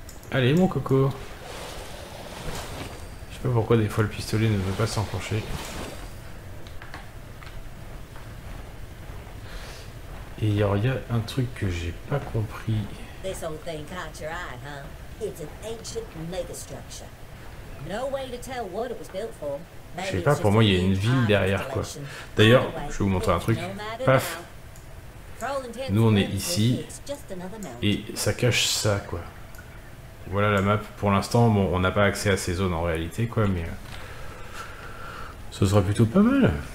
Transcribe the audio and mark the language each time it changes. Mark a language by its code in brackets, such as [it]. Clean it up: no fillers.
[fr] Allez, mon coco. Je sais pas pourquoi des fois le pistolet ne veut pas s'enclencher. Et il y a un truc que j'ai pas compris. [en] This old thing caught your eye, huh? It's an ancient megastructure. No way to tell what it was built for. [fr] Je sais pas, pour moi il y a une ville derrière quoi. D'ailleurs, je vais vous montrer un truc. Paf. Nous on est ici et ça cache ça quoi. Voilà la map. Pour l'instant, bon, on n'a pas accès à ces zones en réalité, quoi, mais ce sera plutôt pas mal.